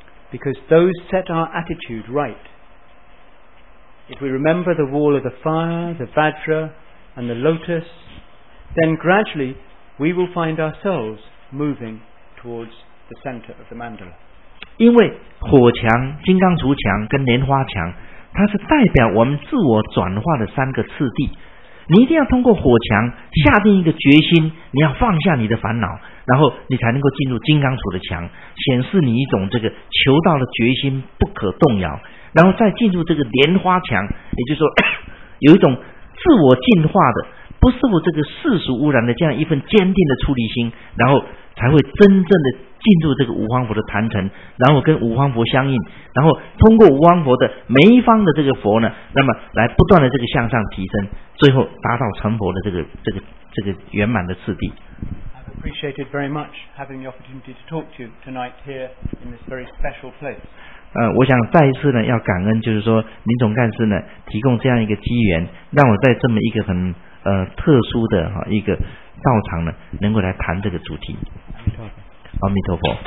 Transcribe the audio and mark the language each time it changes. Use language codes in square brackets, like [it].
[en] Because those set our attitude right. If we remember the wall of the fire, the vajra, and the lotus, then gradually we will find ourselves moving towards the center of the mandala. [zh] 因为火墙、金刚杵墙跟莲花墙，它是代表我们自我转化的三个次第。你一定要通过火墙下定一个决心，你要放下你的烦恼，然后你才能够进入金刚杵的墙，显示你一种这个求道的决心不可动摇，然后再进入这个莲花墙，也就是说有一种自我进化的不受这个世俗污染的这样一份坚定的出离心，然后才会真正的进入这个五方佛的坛城，然后跟五方佛相应，然后通过五方佛的每一方的这个佛呢，那么来不断的这个向上提升，最后达到成佛的这个圆满的次第。 [en] I've appreciated very much having the opportunity to talk to you tonight here in this very special place. [zh] 我想再一次呢要感恩，就是说林总干事呢提供这样一个机缘，让我在这么一个很特殊的一个道场呢能够来谈这个主题。阿弥陀佛。